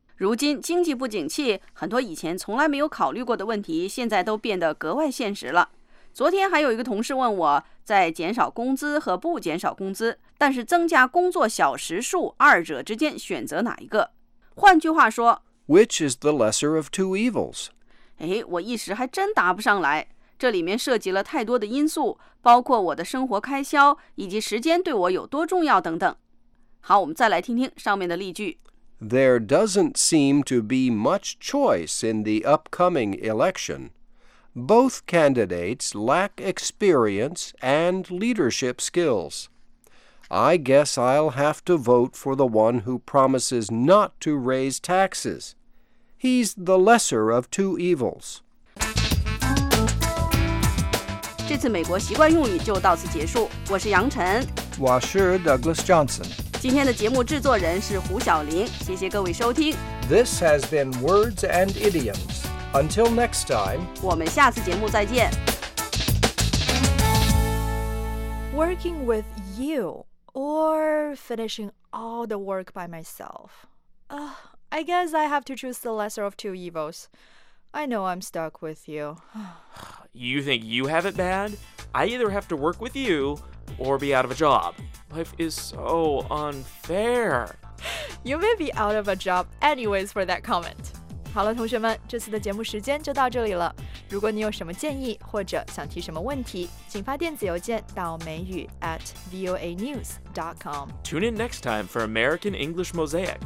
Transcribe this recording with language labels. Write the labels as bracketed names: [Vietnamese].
[Chinese] 如今经济不景气，很多以前从来没有考虑过的问题现在都变得格外现实了。昨天还有一个同事问我在减少工资和不减少工资但是增加工作小时数二者之间选择哪一个。换句话说 [English] Which is the lesser of two evils? [Chinese] 哎，我一时还真答不上来。这里面涉及了太多的因素，包括我的生活开销以及时间对我有多重要等等。好，我们再来听听上面的例句。 [English] There doesn't seem to be much choice in the upcoming election. Both candidates lack experience and leadership skills. I guess I'll have to vote for the one who promises not to raise taxes. He's the lesser of two evils. [Chinese] 这次美国习惯用语就到此结束。我是杨晨，我是 Douglas Johnson。今天的节目制作人是胡晓玲，谢谢各位收听。 [English] This has been Words and Idioms. Until next time, [Chinese] 我们下次节目再见。 [English] Working with you or finishing all the work by myself? I guess I have to choose the lesser of two evils. I know I'm stuck with you. You think you have it bad? I either have to work with you or be out of a job. Life is so unfair. You may be out of a job anyways for that comment. [Chinese] 好了，同学们，这次的节目时间就到这里了。如果你有什么建议或者想提什么问题，请发电子邮件到美语@voanews.com. [English] Tune in next time for American English Mosaic.